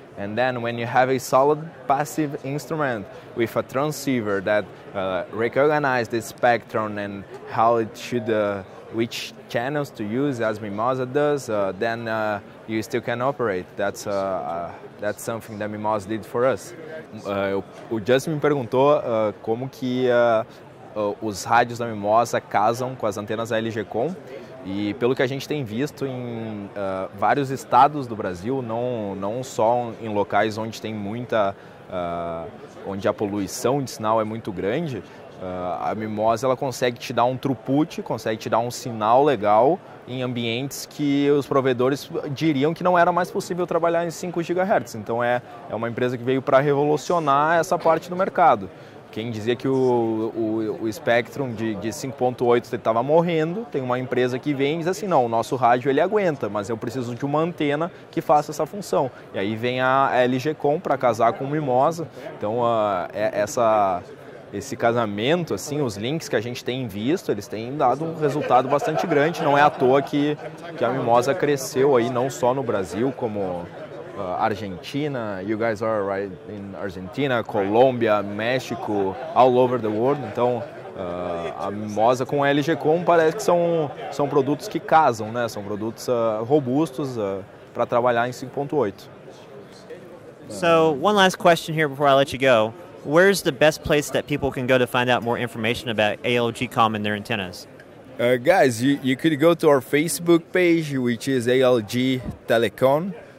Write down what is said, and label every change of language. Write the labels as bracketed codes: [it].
[en] And then when you have a solid passive instrument with a transceiver that recognizes the spectrum and how it should, which channels to use, as Mimosa does, then you still can operate. That's something that Mimosa did for us. [pt] O Justin me perguntou como que os rádios da Mimosa casam com as antenas ALGCOM. E pelo que a gente tem visto em vários estados do Brasil, não só em locais onde tem muita, onde a poluição de sinal é muito grande, a Mimosa, ela consegue te dar um throughput, consegue te dar um sinal legal em ambientes que os provedores diriam que não era mais possível trabalhar em 5 GHz. Então é uma empresa que veio para revolucionar essa parte do mercado. Quem dizia que o Spectrum de 5.8 estava morrendo, tem uma empresa que vem e diz assim, não, o nosso rádio ele aguenta, mas eu preciso de uma antena que faça essa função. E aí vem a LGCOM para casar com o Mimosa. Então, essa, esse casamento, assim, os links que a gente tem visto, eles têm dado um resultado bastante grande. Não é à toa que a Mimosa cresceu aí, não só no Brasil, como Argentina. [en] You guys are right in Argentina, Colômbia, México, all over the world. [pt] Então, a Mimosa com a ALGCOM parece que são produtos que casam, né? São produtos robustos para trabalhar em 5.8. [en] So, one last question here before I let you go. Where's the best place that people can go to find out more information about ALGCOM and their antennas? Guys, you could go to our Facebook page, which is ALG Telecom.